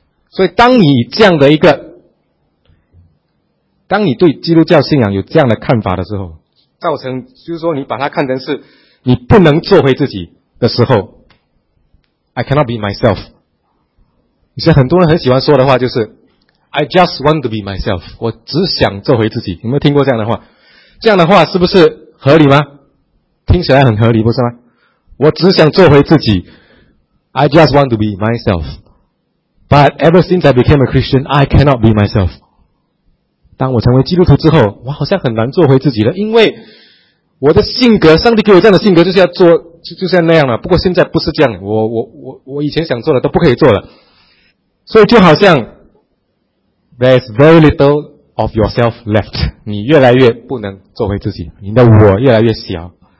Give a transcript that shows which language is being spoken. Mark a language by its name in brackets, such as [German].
[Chinese] 所以当你这样的一个，当你对基督教信仰有这样的看法的时候，造成就是说你把它看成是你不能做回自己的时候， [English] I cannot be myself， [Chinese] 你像很多人很喜欢说的话就是 [English] I just want to be myself， [Chinese] 我只想做回自己，有没有听过这样的话？这样的话是不是合理吗？听起来很合理不是吗？我只想做回自己， [English] I just want to be myself， But ever since I became a Christian I cannot be myself。 [Chinese] 当我成为基督徒之后，我好像很难做回自己了，因为我的性格，上帝给我这样的性格就是要做，就是要那样了。不过现在不是这样，我以前想做的都不可以做了。所以就好像 [English] There's very little of yourself left， [Chinese] 你越来越不能做回自己，你的我越来越小。